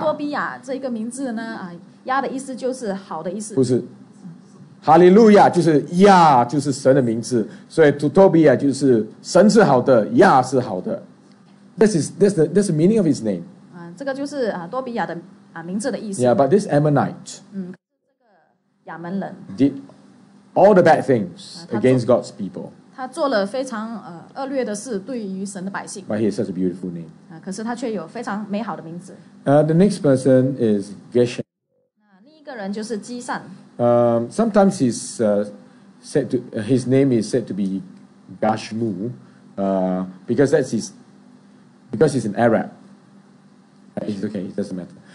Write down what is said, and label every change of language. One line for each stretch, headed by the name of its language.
Chinese: 多比亚这个名字呢，Yah 的意思就是好的意思。不是。Hallelujah 就是 Yah 就是神的名字，所以 Tutobia 就是神是好的， Yah 是好的。
English: That's the meaning of his name.
Chinese: 这个就是多比亚的名字的意思。
English: Yeah, but this Ammonite,
Chinese: 亚门人
English: did all the bad things against God's people.
Chinese: 他做了非常恶劣的事，对于神的百姓。
English: But he has such a beautiful name.
Chinese: 可是他却有非常美好的名字。
English: The next person is Geshem.
Chinese: 另一个人就是基善。
English: Sometimes his name is said to be Gashmu, because he's an Arab. It's okay, it doesn't matter.